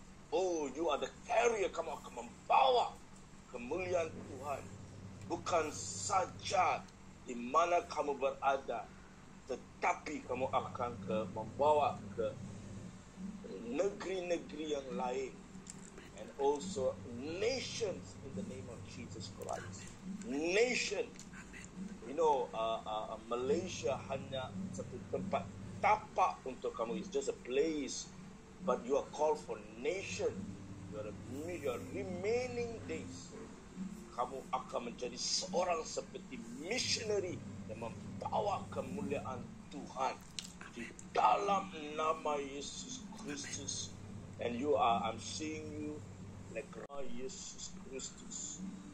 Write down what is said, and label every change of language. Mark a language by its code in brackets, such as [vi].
[en] Oh, you are the carrier. [ms] Kamu akan membawa kemuliaan Tuhan. Bukan saja di mana kamu berada, tetapi kamu akan membawa ke negeri-negeri yang lain. [en] And also nations in the name of Jesus Christ. Nation. You know, [ms] Malaysia hanya satu tempat tapak untuk kamu. [en] It's just a place. But you are called for nation. Your remaining days, [ms] kamu akan menjadi seorang seperti missionary yang membawa kemuliaan Tuhan. Di dalam nama Yesus Kristus. [en] And you are, I'm seeing you, like Jesus Christus.